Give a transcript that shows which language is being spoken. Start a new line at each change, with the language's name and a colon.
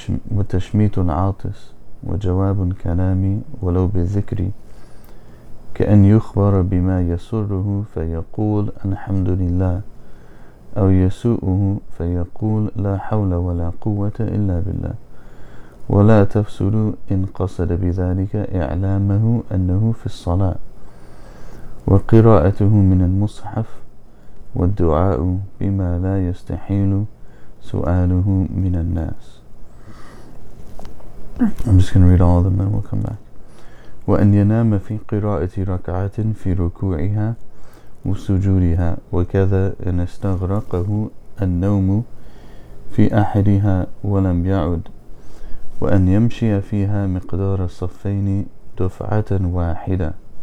Arabic: وتشميت العاطس وجواب كلامي ولو بذكري كأن يخبر بما يسره فيقول الحمد لله أو يسوءه فيقول لا حول ولا قوة إلا بالله ولا تفسد إن قصد بذلك إعلامه أنه في الصلاة وقراءته من المصحف والدعاء بما لا يستحيل سؤاله من الناس.
English: I'm just going to read all of them, then we'll come back.
Arabic: وأن ينام في قراءة ركعة في ركوعها وسجودها وكذا إن استغرقه النوم في أحدها ولم يعد وأن يمشي فيها مقدار الصفين دفعة واحدة